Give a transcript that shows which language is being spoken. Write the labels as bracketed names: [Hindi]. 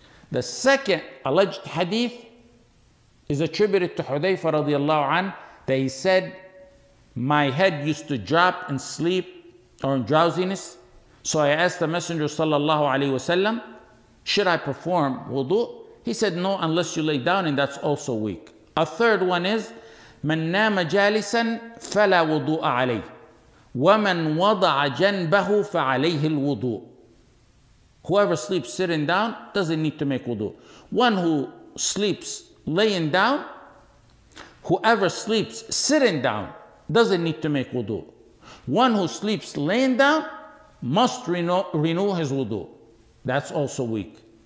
[English] The second alleged hadith is attributed to Hudhayfa radiallahu an, that he said, my head used to drop in sleep or in drowsiness. So I asked the Messenger sallallahu alayhi wasallam, should I perform wudu? He said, no, unless you lay down, and that's also weak. A third one is, [Arabic] من نام جالسا فلا وضوء عليه ومن وضع جنبه فعليه الوضوء. [English] Whoever sleeps sitting down doesn't need to make wudu. One who sleeps laying down, whoever sleeps sitting down doesn't need to make wudu. One who sleeps laying down must renew his wudu. That's also weak.